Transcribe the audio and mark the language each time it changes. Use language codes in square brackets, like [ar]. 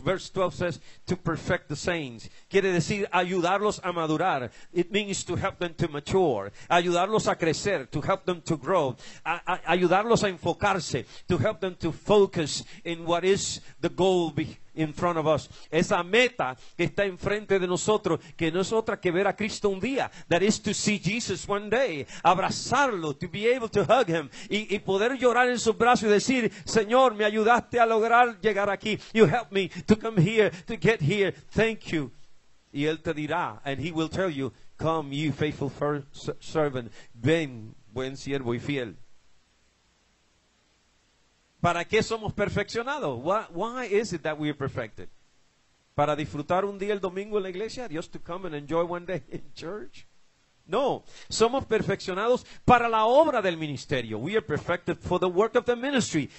[en] Verse 12 says, to perfect the saints. [es] Quiere decir, ayudarlos a madurar. [en] It means to help them to mature. [es] Ayudarlos a crecer. [en] To help them to grow. [es] Ayudarlos a enfocarse. [en] To help them to focus in what is the goal in front of us. [es] Esa meta que está enfrente de nosotros, que no es otra que ver a Cristo un día. [en] That is to see Jesus one day. [es] Abrazarlo, [en] to be able to hug him. [es] Y poder llorar en sus brazos y decir, Señor, me ayudaste a lograr llegar aquí. [en] You helped me to come here, to get here. Thank you. [es] Y él te dirá, [en] and he will tell you, come you faithful servant. [es] Ven, buen siervo y fiel. ¿Para qué somos perfeccionados? [en] Why is it that we are perfected? [es] ¿Para disfrutar un día el domingo en la iglesia? [en] Just to come and enjoy one day in church? [es] No, somos perfeccionados para la obra del ministerio. [en] We are perfected for the work of the ministry.